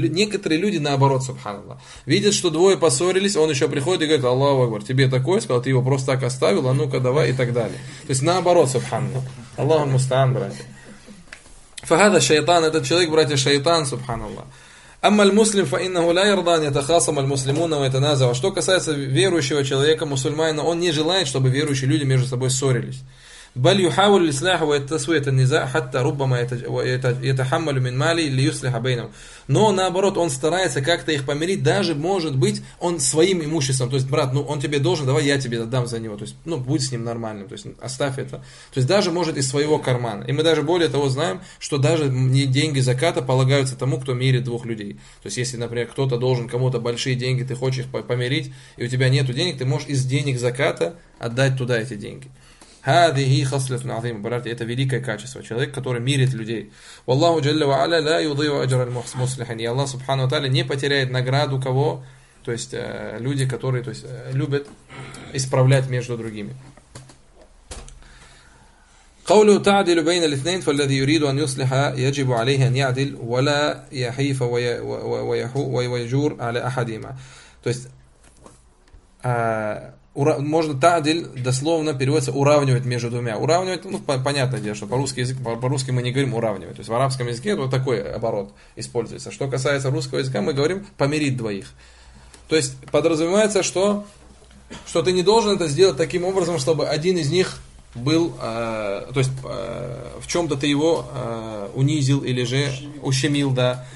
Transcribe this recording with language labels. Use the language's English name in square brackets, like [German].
[Russian] некоторые люди наоборот, سبحان الله, видят, что двое поссорились, он еще приходит и говорит: Аллах Акбар, тебе такое сказал, ты его просто так оставил, а ну-ка давай и так далее. То есть наоборот, سبحان الله. Аллаху мустаан, братья. [Arabic] فهذا شيطان, [Russian] этот человек, братья, шайтан, سبحان الله. [Arabic] أما المسلم فإنه لا يرضى أن يتخاصم المسلمون ويتنازعوا. [Russian] Что касается верующего человека, мусульманина, он не желает, чтобы верующие люди между собой ссорились. [Arabic] بل يحاول الإصلاح ويتسوية النزاع حتى ربما يتحمل من مالي ليصلح بينهم. [Russian] Но наоборот, он старается как-то их помирить, даже может быть, он своим имуществом. То есть, брат, ну он тебе должен, давай я тебе отдам за него. То есть, ну, будь с ним нормальным, то есть оставь это. То есть даже может из своего кармана. И мы даже более того знаем, что даже деньги заката полагаются тому, кто мирит двух людей. То есть, если, например, кто-то должен кому-то большие деньги, ты хочешь их помирить, и у тебя нет денег, ты можешь из денег заката отдать туда эти деньги. [Arabic] هذه خصلة عظيمة برأيي. [Russian] Это великое качество. Человек, который мирит людей. [Arabic] والله جل وعلا لا يضيع أجر المصلحين. [Russian] И Аллах سبحانه وتعالى не потеряет награду кого, то есть люди, которые, то есть любят исправлять между другими. [Arabic] قوله تعدل بين الاثنين فالذي يريد أن يصلح يجب عليه أن يعدل ولا يحيف ويجور على أحدهما. [Russian] То есть можно «таадиль» дословно переводится «уравнивать между двумя». «Уравнивать», ну, понятное дело, что по-русски мы не говорим «уравнивать». То есть в арабском языке вот такой оборот используется. Что касается русского языка, мы говорим «помирить двоих». То есть подразумевается, что ты не должен это сделать таким образом, чтобы один из них был, то есть в чем-то ты его унизил или же ущемил, да.